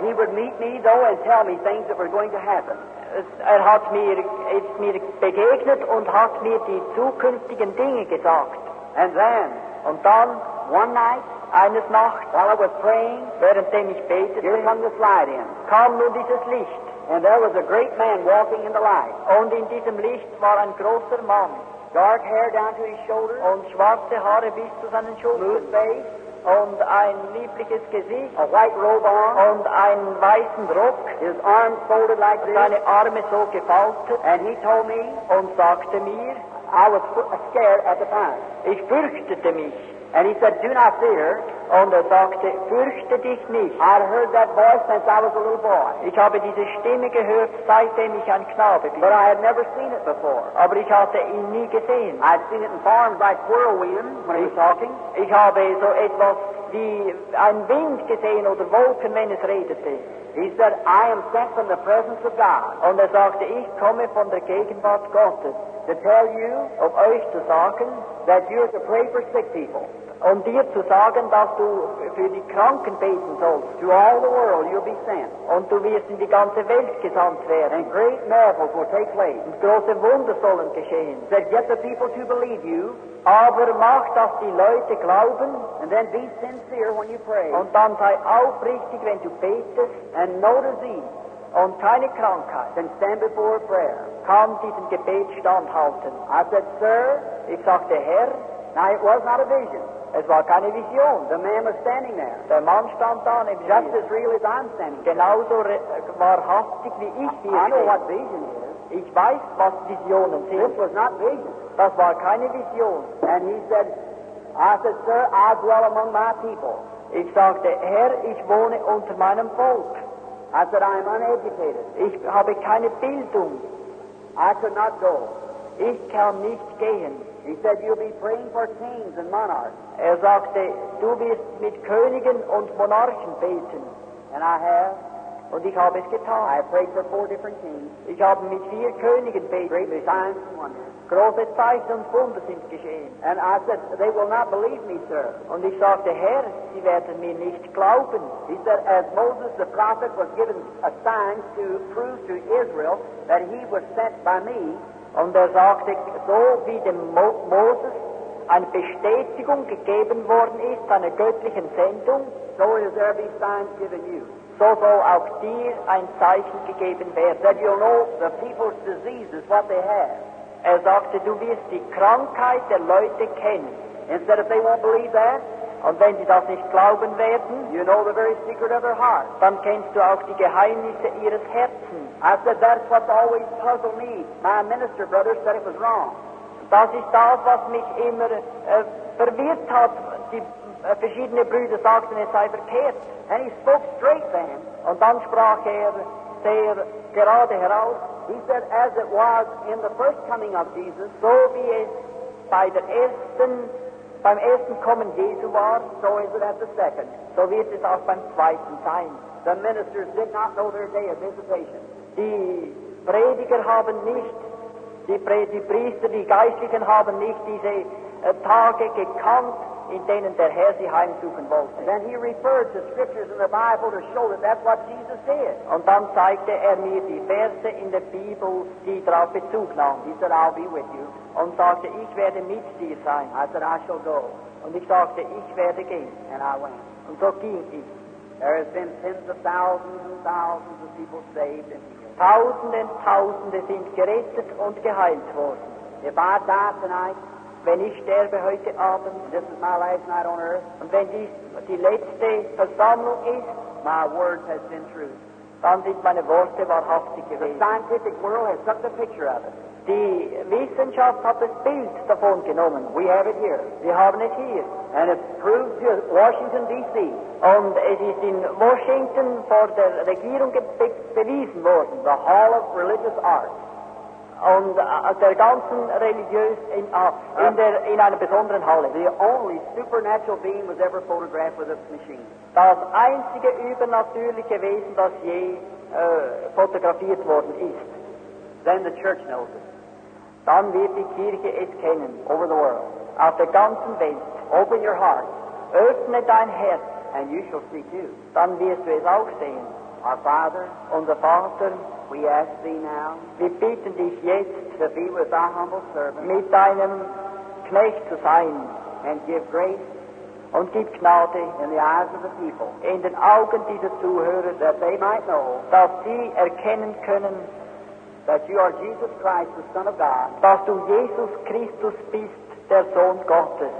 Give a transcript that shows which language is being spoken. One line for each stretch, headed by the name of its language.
English: He would meet me though and tell me things that were going to happen.
German: Er ist mir begegnet und hat mir die zukünftigen Dinge gesagt.
English: And then,
German: und dann,
English: one night,
German: eines Nachts,
English: while I was praying,
German: währenddem ich betete,
English: here come this light in.
German: Kam nun dieses Licht.
English: And there was a great man walking in the light.
German: Und in diesem Licht war ein großer Mann.
English: Dark hair down to his shoulders.
German: Und schwarze Haare bis zu seinen Schultern.
English: Smooth face.
German: Und ein liebliches Gesicht.
English: A white robe on.
German: Und einen weißen Rock.
English: His arms folded like this.
German: Seine Arme so gefaltet.
English: And he told me.
German: Und sagte mir.
English: I was scared at the time.
German: Ich fürchtete mich.
English: And he said, do not fear.
German: Und sagte, fürchte dich nicht.
English: I'd heard that voice since I was a little boy.
German: Ich habe diese Stimme gehört, seitdem ich ein Knabe bin.
English: But I had never seen it before.
German: Aber ich hatte ihn nie gesehen.
English: I'd seen it in farms like whirlwinds when he was talking.
German: Ich habe so etwas wie ein Wind gesehen oder Wolken, wenn es redete.
English: He said, I am sent from the presence of God.
German: Und sagte, ich komme von der Gegenwart Gottes.
English: To tell you,
German: of euch zu sagen,
English: that you are to pray for sick people.
German: Um dir zu sagen, dass du für die Kranken beten sollst.
English: To all the world you'll be sent.
German: Und du wirst in die ganze Welt gesandt werden.
English: And great miracles will take place.
German: Und große Wunder sollen geschehen.
English: That get the people to believe you.
German: Aber mach, dass die Leute glauben.
English: And then be sincere when you pray.
German: Und dann sei aufrichtig, wenn du betest.
English: And no disease.
German: Und keine Krankheit.
English: Then stand before prayer.
German: Kann diesen Gebet standhalten.
English: I said, sir.
German: Ich sagte, Herr.
English: Now it was not a vision.
German: Es war keine Vision.
English: The man was standing there.
German: Der Mann stand da im
English: just Jesus. As real as I'm standing.
German: Genauso wahrhaftig wie ich hier.
English: I know what vision is.
German: Ich weiß, was Visionen sind.
English: This was not vision.
German: Das war keine Vision.
English: And he said, I said, sir, I dwell among my people.
German: Ich sagte, Herr, ich wohne unter meinem Volk.
English: I said, I am uneducated.
German: Ich habe keine Bildung.
English: I could not go.
German: Ich kann nicht gehen.
English: He said, you'll be praying for kings and monarchs.
German: Er sagte, du wirst mit Königen und Monarchen beten.
English: And I have.
German: Und ich habe es getan.
English: I have prayed for four different kings.
German: Ich habe mit vier Königen beten.
English: Great signs and wonders.
German: Große Zeichen und Wunder sind geschehen.
English: And I said, they will not believe me, sir.
German: Und ich sagte, Herr, sie werden mir nicht glauben.
English: He said, as Moses the prophet was given a sign to prove to Israel that he was sent by me.
German: Und er sagte, so wie dem Moses eine Bestätigung gegeben worden ist, einer göttlichen Sendung,
English: so will there be signs given you.
German: So soll auch dir ein Zeichen gegeben werden.
English: That you'll know the people's diseases, what they have.
German: Er sagte, du wirst die Krankheit der Leute kennen.
English: Instead of they won't believe that,
German: und wenn sie das nicht glauben werden,
English: you know the very secret of their heart.
German: Dann kennst du auch die Geheimnisse ihres Herzens.
English: I said, that's what always puzzled me. My minister brother said it was wrong.
German: Das ist das, was mich immer verwirrt hat. Die verschiedene Brüder sagten, es sei verkehrt.
English: And he spoke straight then.
German: Und dann sprach er sehr gerade heraus.
English: He said, as it was in the first coming of Jesus,
German: so wie es bei der ersten beim ersten Kommen Jesu war,
English: so is it at the second.
German: So wird es auch beim zweiten sein.
English: The ministers did not know their day of visitation.
German: Die Priester, die Geistlichen haben nicht diese Tage gekannt, in denen der Herr sie heimsuchen wollte.
English: Then he referred to scriptures in the Bible to show that that's what Jesus did.
German: Und dann zeigte er mir die Verse in der Bibel, die darauf Bezug nahm.
English: He said, I'll be with you.
German: Und sagte, ich werde mit dir sein.
English: I said, I shall go.
German: Und ich sagte, ich werde gehen.
English: And I went.
German: Und so ging ich.
English: There have been tens of thousands and thousands of people saved and healed.
German: Tausende und Tausende sind gerettet und geheilt worden.
English: If I die tonight,
German: wenn ich sterbe heute Abend,
English: this is my last night on earth,
German: und wenn dies die letzte Versammlung ist,
English: my word has been true.
German: Dann sind meine Worte wahrhaftig gewesen.
English: The scientific world has took the picture of it.
German: Die Wissenschaft hat das Bild davon genommen.
English: We have it here.
German: Wir haben es hier.
English: And it's proved to Washington, D.C.
German: Und es ist in Washington vor der Regierung bewiesen worden.
English: The Hall of Religious Arts.
German: Und der ganzen religiös in einer besonderen Halle.
English: The only supernatural being was ever photographed with a machine.
German: Das einzige übernatürliche Wesen, das je fotografiert worden ist.
English: Then the church knows it.
German: Dann wird die Kirche es kennen.
English: Over the world.
German: Auf der ganzen Welt.
English: Open your heart.
German: Öffne dein Herz.
English: And you shall see too.
German: Dann wirst du es auch sehen.
English: Our Father.
German: Unser Vater.
English: We ask thee now.
German: Wir bitten dich jetzt.
English: To be with thy humble servant.
German: Mit deinem Knecht zu sein.
English: And give grace.
German: Und gib Gnade
English: in the eyes of the people.
German: In den Augen dieser Zuhörer.
English: That they might know.
German: Dass sie erkennen können.
English: That you are Jesus Christ, the Son of God.
German: Dass du Jesus Christus bist, der Sohn Gottes.